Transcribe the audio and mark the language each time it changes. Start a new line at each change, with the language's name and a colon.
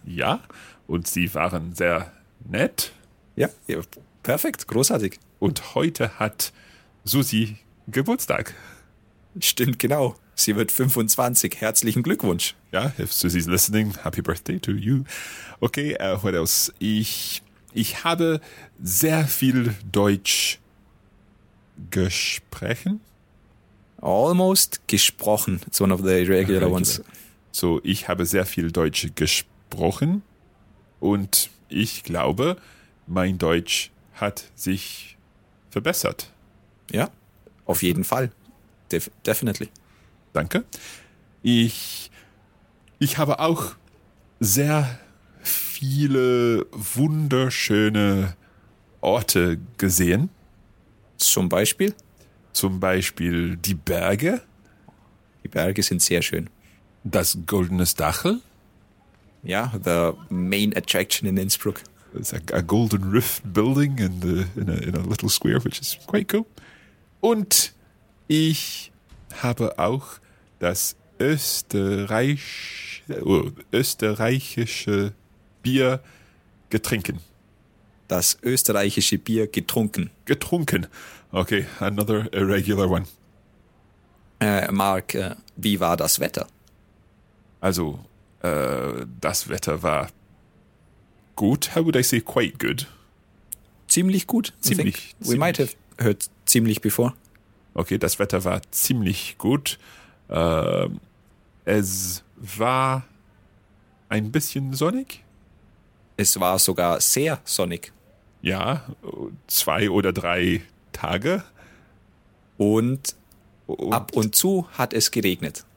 German: Ja, und sie waren sehr nett. Ja, ja, perfekt, großartig. Und heute hat Susi Geburtstag. Stimmt, genau. Sie wird 25. Herzlichen Glückwunsch.
English: Ja, if Susi's listening, happy birthday to you. Okay, what else?
German: Ich habe sehr viel Deutsch gesprochen.
English: Almost gesprochen. It's one of the irregular ones.
German: So, ich habe sehr viel Deutsch gesprochen und ich glaube, mein Deutsch hat sich verbessert. Ja, auf jeden Fall. Definitely. Danke. Ich habe auch sehr viele wunderschöne Orte gesehen. Zum Beispiel? Zum Beispiel die Berge. Die Berge sind sehr schön. Das goldene Dachl?
English: Ja, the main attraction in Innsbruck. It's a golden roof building in a little square, which is quite cool.
German: Und ich habe auch das österreichische Bier getrunken. Das österreichische Bier getrunken. Getrunken.
English: Okay, another irregular one.
German: Mark, wie war das Wetter? Also, das Wetter war gut.
English: How would I say quite good?
German: Ziemlich gut. Ziemlich.
English: We might have heard ziemlich before.
German: Okay, das Wetter war ziemlich gut. Es war ein bisschen sonnig. Es war sogar sehr sonnig. Ja, 2 oder 3 Tage. Und ab und zu hat es geregnet.